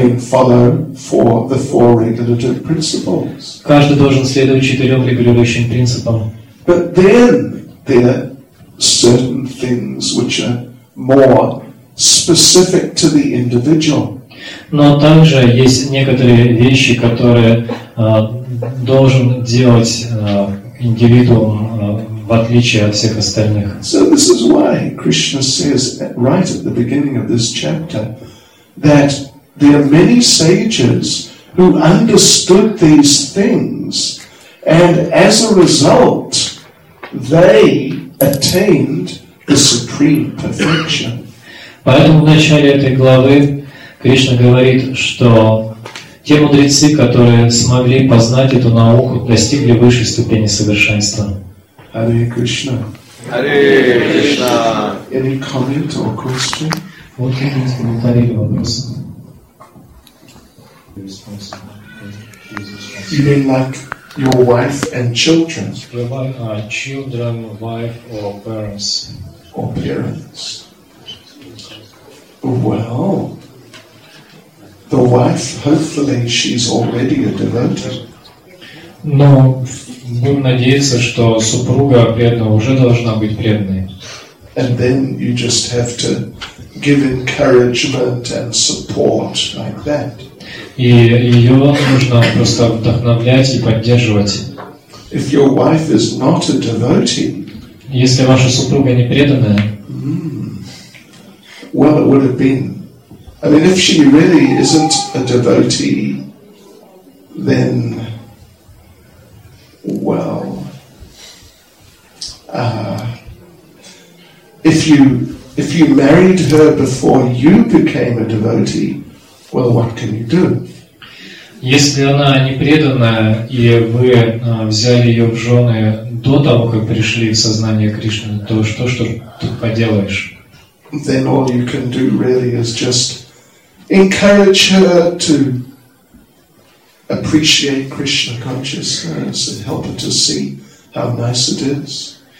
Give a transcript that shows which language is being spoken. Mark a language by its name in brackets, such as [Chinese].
[English] Follow for the four regulative principles. [Russian] Каждый должен следовать четырем регулирующим принципам. [English] But then there are certain things which are more specific to the individual. [Russian] Но также есть некоторые вещи, которые должен делать индивидуум в отличие от всех остальных. [English] So this is why Krishna says right at the beginning of this chapter that there are many sages who understood these things, and as a result, they attained the supreme perfection. [Russian] Поэтому в начале этой главы Кришна говорит, что те мудрецы, которые смогли познать эту науку, достигли высшей ступени совершенства. [English] Hare Krishna. Hare Krishna. Any comment or question? [Russian] Вот какие комментарии или вопросы? [English] You mean like your wife and children? Children, wife, or parents? Or parents. Well, the wife, hopefully, she's already a devotee. [Russian] Но будем надеяться, что супруга преданная уже должна быть преданной. [English] And then you just have to give encouragement and support like that. [Russian] И ее нужно просто вдохновлять и поддерживать. [English] If your wife is not a devotee, [Russian] если ваша супруга не преданная, [English] well, it would have been. I mean, if she really isn't a devotee, then, well, if you married her before you became a devotee, well, what can you do? [Russian] Если она не преданная, и вы взяли ее в жены до того, как пришли в сознание Кришны, то что тут поделаешь? [English] Then all you can do really is just encourage her to appreciate Krishna consciousness and help her to see how nice it is.